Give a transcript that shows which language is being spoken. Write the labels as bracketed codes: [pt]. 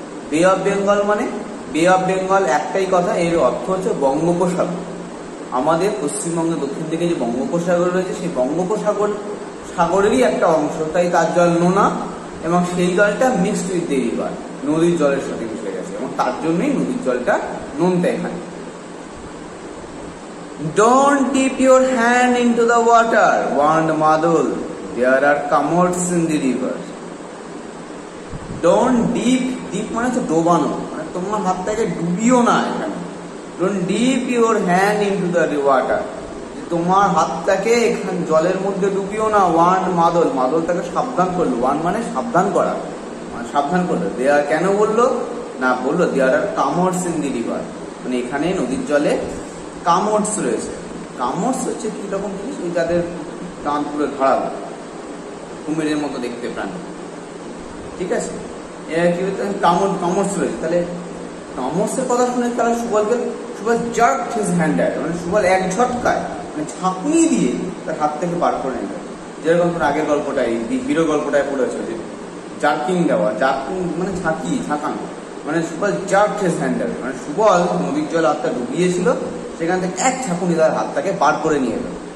[bn] Bay of Bengal মানে Bay of Bengal একটাই কথা, এর অর্থ হচ্ছে বঙ্গোপসাগর, আমাদের পশ্চিমবঙ্গের দক্ষিণ দিকে যে বঙ্গোপসাগর রয়েছে সেই বঙ্গোপসাগর সাগরেরই একটা অংশ, তাই তার জল নোনা এবং সেই জলটা [en] mixed with the river, [bn] নদীর জলের সাথে মিশে গেছে এবং তার জন্যই নদীর জলটা নোনতা এখানে। [en] Don't dip your hand into the water, warned Madhul. There are commotes in the river. Don't dip, [bn] dip মানে হচ্ছে ডোবানো, মানে তোমার হাতটাকে ডুবিও না এখানে। [en] Don't dip your hand into the water. [bn] তোমার হাতটাকে এখানে জলের মধ্যে ডুবিও না, [en] warned Madhul. [bn] Madhul তাকে সাবধান করলো, warn মানে সাবধান করা, মানে সাবধান করলো। [en] They are [bn] কেন বললো? না বললো, [en] there are commotes in the river. [bn] মানে এখানে নদীর জলে কামোটস রয়েছে, কামোটস হচ্ছে কি রকম জিনিস, এই যাদের প্রাণ পুরো ধরাবে, কুমিরের মতো দেখতে প্রাণ, ঠিক আছে, এরা কি বলতে কামোট, কামোটস রয়েছে, তাহলে কামোটসের কথা শুনে তারা সুবলকে, Subal [en] jerk his hand at, [bn] মানে সুবল এক ঝটকায় মানে ঝাঁকুনি দিয়ে তার হাত থেকে বার করে নিল, যেরকম তোর আগের গল্পটাই দি হিরো গল্পটায় পড়েছে যে জার্কিং দেওয়া, জার্কিং মানে ঝাঁকি ঝাঁকানো, মানে Subal jerk his hand at, মানে সুবল নদীর জল হাতটা ডুবিয়েছিল সেখান থেকে এক ঝাঁকুনি তার হাতটাকে বার করে নিয়ে এলো।